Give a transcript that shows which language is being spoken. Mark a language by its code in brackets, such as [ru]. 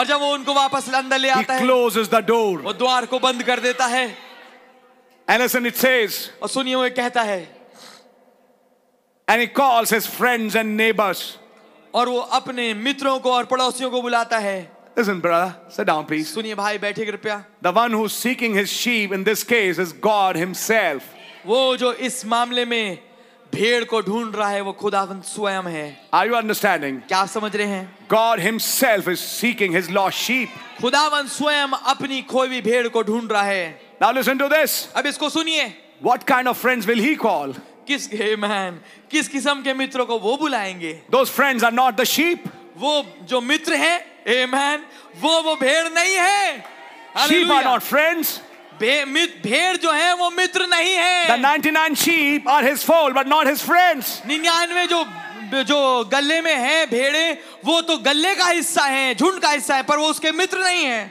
[hi] और जब वो उनको वापस अंदर ले आता है [en] he closes the door [hi] वो द्वार को बंद कर देता है [en] and listen it says [hi] और सुनिए वो कहता है [en] and he calls his friends and neighbors [hi] और वो अपने मित्रों को और पड़ोसियों को बुलाता है [en] Listen, brother, sit down, please. [hi] सुनिए भाई बैठे कृपया. [en] The one who's seeking his sheep in this case is God Himself. [hi] वो जो इस मामले में भेड़ को ढूंढ रहा है वो खुदावंद स्वयं है. [en] Are you understanding? [hi] क्या आप समझ रहे हैं? [en] God Himself is seeking His lost sheep. [hi] खुदावंद स्वयं अपनी खोई हुई भेड़ को ढूंढ रहा है. [en] Now listen to this. [hi] अब इसको सुनिए. [en] What kind of friends will He call? [hi] किस man? किस किस्म के मित्रों को वो बुलाएंगे? [en] Those friends are not the sheep. [hi] वो जो मित्र हैं Amen. वो भेड़ नहीं है [en] Sheep are not friends. [hi] भेड़ जो है वो मित्र नहीं है [en] The 99 sheep are his fold, but not his friends. [hi] 99 जो गले में है भेड़े वो तो गले का हिस्सा है झुंड का हिस्सा है पर वो उसके मित्र नहीं है